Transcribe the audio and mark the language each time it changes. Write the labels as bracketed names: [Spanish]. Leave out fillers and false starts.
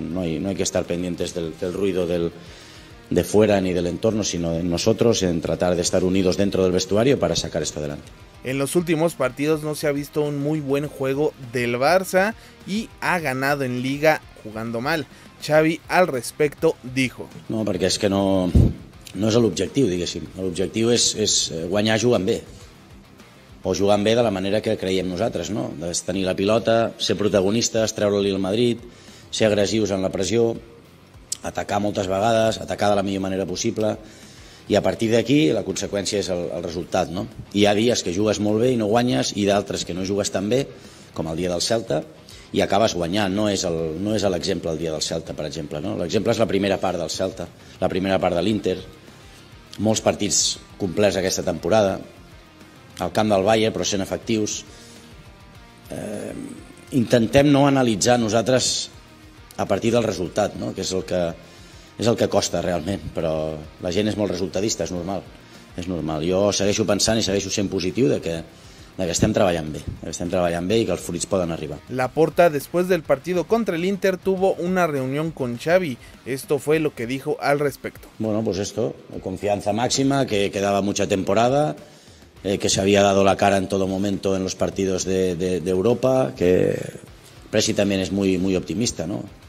[Spanish] No hay que estar pendientes del ruido de fuera ni del entorno, sino de nosotros, en tratar de estar unidos dentro del vestuario para sacar esto adelante. En los últimos partidos no se ha visto un muy buen juego del Barça y ha ganado en Liga jugando mal. Xavi al respecto dijo: "No, porque es que [Catalan] no és l'objectiu, diguéssim. L'objectiu és guanyar jugant bé. O jugant bé de la manera que creiem nosaltres, no? De tenir la pilota, ser protagonistes, treure-li el Madrid, ser agressius en la pressió, atacar moltes vegades, atacar de la millor manera possible. I a partir d'aquí la conseqüència és el resultat, no? Hi ha dies que jugues molt bé i no guanyes, i d'altres que no jugues tan bé, com el dia del Celta, i acabes guanyant. No és l'exemple el dia del Celta, per exemple, no? L'exemple és la primera part del Celta, la primera part de l'Inter, molts partits complets aquesta temporada, el camp del Bayern, però sent efectius. Intentem no analitzar nosaltres a partir del resultat, no? Que és el que costa realment, però la gent és molt resultadista, és normal. Jo segueixo pensant i segueixo sent positiu de que estem treballant bé i que els fruits poden arribar." [Spanish] Laporta, després del partido contra el Inter, tuvo una reunión con Xavi. Esto fue lo que dijo al respecto: "Bueno, pues esto, confianza máxima, que quedaba mucha temporada, que se había dado la cara en todo momento en los partidos de Europa, que Presi también es muy, muy optimista, ¿no?